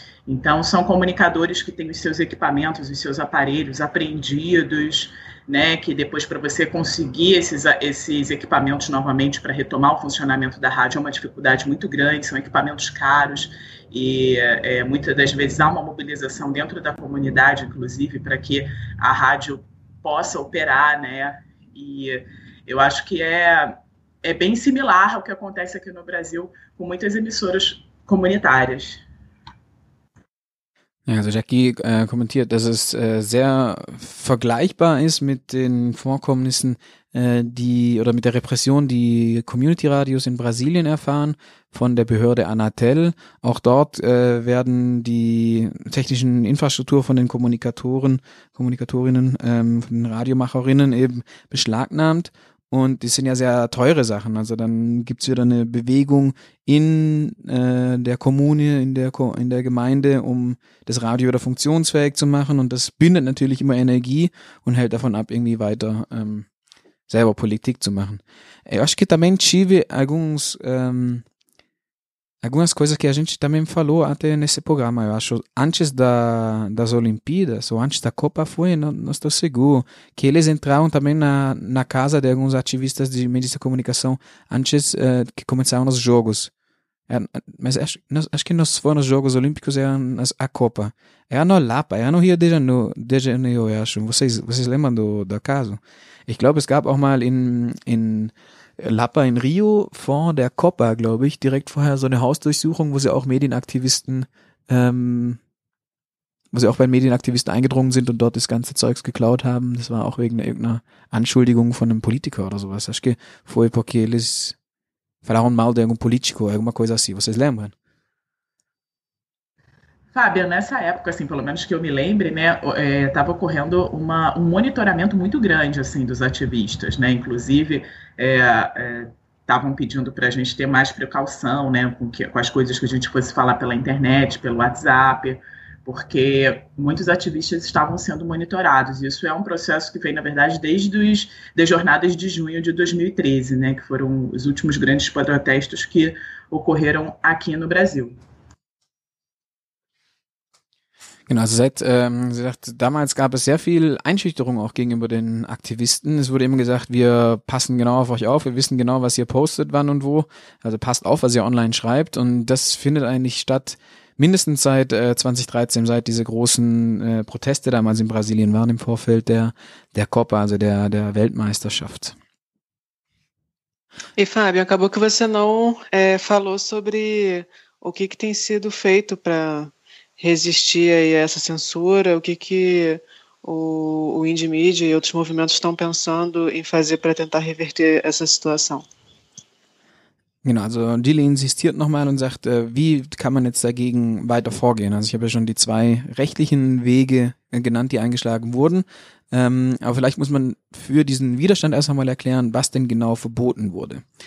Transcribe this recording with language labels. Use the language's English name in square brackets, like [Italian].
[Portuguese] Então, são comunicadores que têm os seus equipamentos, os seus aparelhos apreendidos, né, que depois para você conseguir esses equipamentos novamente para retomar o funcionamento da rádio é uma dificuldade muito grande, são equipamentos caros e muitas das vezes há uma mobilização dentro da comunidade, inclusive, para que a rádio possa operar, né, e eu acho que é bem similar ao que acontece aqui no Brasil com muitas emissoras comunitárias. [German] Also Jackie kommentiert, dass es sehr vergleichbar ist mit den Vorkommnissen, die oder mit der Repression, die Community-Radios in Brasilien erfahren von der Behörde Anatel. Auch dort werden die technischen Infrastruktur von den Kommunikatoren, Kommunikatorinnen, von den Radiomacherinnen eben beschlagnahmt. Und das sind ja sehr teure Sachen. Also dann gibt es wieder eine Bewegung in der Kommune, in der Gemeinde, um das Radio wieder funktionsfähig zu machen. Und das bindet natürlich immer Energie und hält davon ab, irgendwie weiter selber Politik zu machen. [Portuguese] Eu acho que também tive algumas coisas que a gente também falou até nesse programa. Eu acho antes das Olimpíadas ou antes da Copa foi, não estou seguro, que eles entraram também na casa de alguns ativistas de meios de comunicação antes que começaram os jogos. Mas acho que não foram os Jogos Olímpicos, eram a Copa. Era no Lapa, era no Rio de Janeiro, eu acho. Vocês lembram do caso? [German] Ich glaube, es gab auch mal in Lapa in Rio vor der Copa, glaube ich, direkt vorher so eine Hausdurchsuchung, wo sie auch bei Medienaktivisten eingedrungen sind und dort das ganze Zeugs geklaut haben. Das war auch wegen irgendeiner Anschuldigung von einem Politiker oder sowas. [Portuguese] Acho que foi porque eles falaram mal de algum político, alguma coisa assim. Vocês lembram? Fábio, nessa época, assim, pelo menos que eu me lembre, né, estava ocorrendo um monitoramento muito grande, assim, dos ativistas, né, inclusive estavam pedindo para a gente ter mais precaução, né, com as coisas que a gente fosse falar pela internet, pelo WhatsApp, porque muitos ativistas estavam sendo monitorados. Isso é um processo que vem, na verdade, desde das jornadas de junho de 2013, né, que foram os últimos grandes protestos que ocorreram aqui no Brasil. [German] Genau, also damals gab es sehr viel Einschüchterung auch gegenüber den Aktivisten. Es wurde immer gesagt, wir passen genau auf euch auf, wir wissen genau, was ihr postet, wann und wo. Also passt auf, was ihr online schreibt. Und das findet eigentlich statt mindestens seit 2013, seit diese großen Proteste damals in Brasilien waren im Vorfeld der Copa, also der Weltmeisterschaft. [Portuguese] E Fábio, acabou que você não falou sobre o que tem sido feito para resistir aí a essa censura, o que o Indie Media e outros movimentos estão pensando em fazer para tentar reverter essa situação. [German] Genau, also Dili insistiert nochmal und sagt, wie kann man jetzt dagegen weiter vorgehen? Also ich habe ja schon die zwei rechtlichen Wege genannt, die eingeschlagen wurden. Aber vielleicht muss man für diesen Widerstand erst einmal erklären, was denn genau verboten wurde.